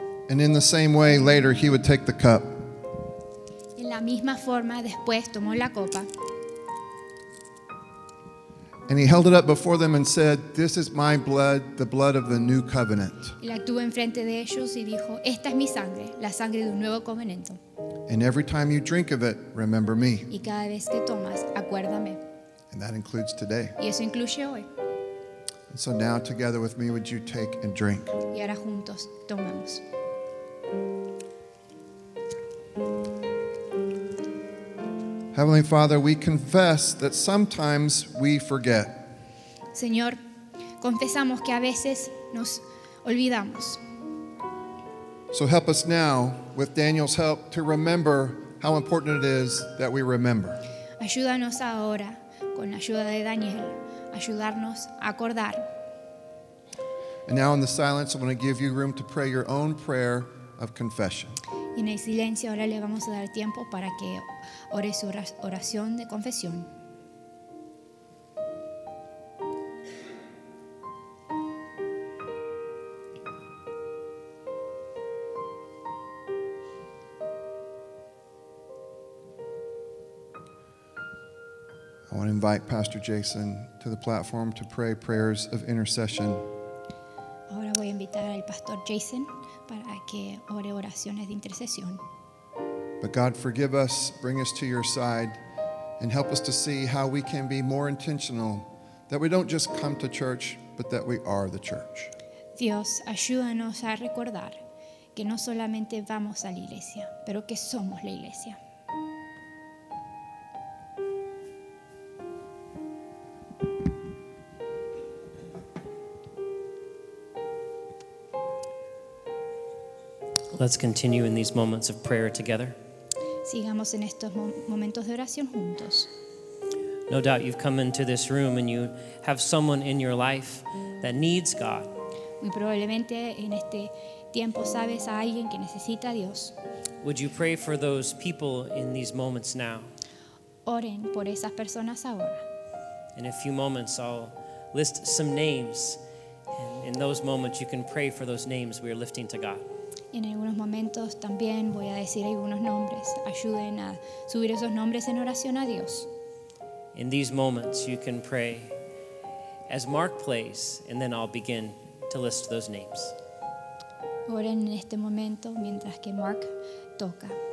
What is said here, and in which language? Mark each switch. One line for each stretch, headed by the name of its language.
English: And in the same way, later he would take the cup.
Spanish: Misma forma, después tomó la copa.
English: And he held it up before them and said, "This is my blood, the blood of the new covenant."
Spanish: Y la tuvo enfrente de ellos y dijo, "Esta es mi sangre, la sangre de un nuevo covenanto."
English: And every time you drink of it, remember me.
Spanish: Y cada vez que tomas, acuérdame.
English: And that includes today.
Spanish: Y eso incluye hoy.
English: And so now, together with me, would you take and drink?
Spanish: Y ahora juntos tomamos.
English: Heavenly Father, we confess that sometimes we forget.
Spanish: Señor, confesamos que a veces nos olvidamos.
English: So help us now, with Daniel's help, to remember how important it is that we remember.
Spanish: Ayúdanos ahora, con la ayuda de Daniel, ayudarnos a acordar.
English: And now in the silence, I'm going to give you room to pray your own prayer of confession.
Spanish: Y en el silencio ahora le vamos a dar tiempo para que ore su oración de confesión.
English: want to invite Pastor Jason to the platform to pray prayers of intercession.
Spanish: Ahora voy a invitar al Pastor Jason para que ore oraciones de intercesión.
English: But God, forgive us, bring us to your side, and help us to see how we can be more intentional, that we don't just come to church, but that we are the church.
Spanish: Dios, ayúdanos a recordar que no solamente vamos a la iglesia, pero que somos la iglesia.
English: Let's continue in these moments of prayer together.
Spanish: Sigamos en estos momentos de oración juntos.
English: No doubt you've come into this room and you have someone in your life that needs God.
Spanish: Muy probablemente en este tiempo sabes a alguien que necesita a Dios.
English: Would you pray for those people in these moments now?
Spanish: Oren por esas personas ahora.
English: In a few moments I'll list some names. In those moments you can pray for those names we are lifting to God.
Spanish: En algunos momentos también voy a decir algunos nombres. Ayuden a subir esos nombres en oración a Dios.
English: In these moments you can pray as Mark plays, and then I'll begin to list those names.
Spanish: Oren en este momento mientras que Mark toca.